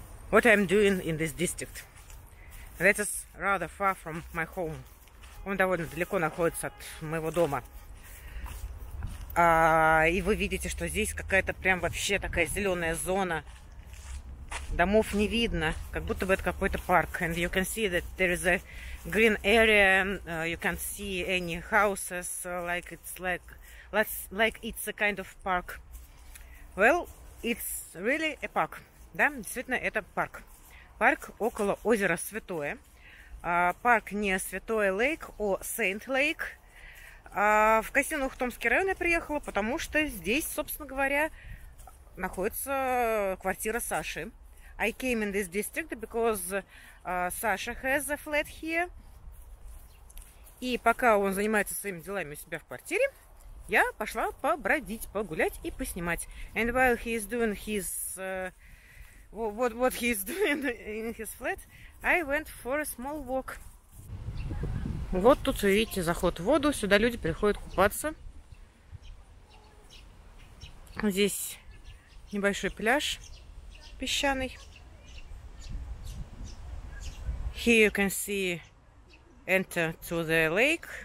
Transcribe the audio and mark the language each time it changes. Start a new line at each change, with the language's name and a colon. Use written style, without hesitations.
English: What I'm doing in this district? That is rather far from my home.
Russian: Он довольно далеко находится от моего дома. И вы видите, что здесь какая-то прям вообще такая зеленая зона. Домов не видно, как будто бы это какой-то парк.
English: And you can see that there is a green area. You can't see any houses, like it's a kind of park. Well, it's really a park.
Russian: Да, действительно, это парк. Парк около озера Святое. Парк не Святое Lake, а Saint Lake. В Косино-Ухтомский район я приехала, потому что здесь, собственно говоря, находится квартира Саши.
English: I came in this district because Sasha has a flat here.
Russian: И пока он занимается своими делами у себя в квартире, я пошла побродить, погулять и поснимать.
English: And while he is doing his what he is doing in his flat, I went for a small walk.
Russian: Вот тут, вы видите, заход в воду. Сюда люди приходят купаться. Здесь небольшой пляж песчаный.
English: Here you can see enter to the lake.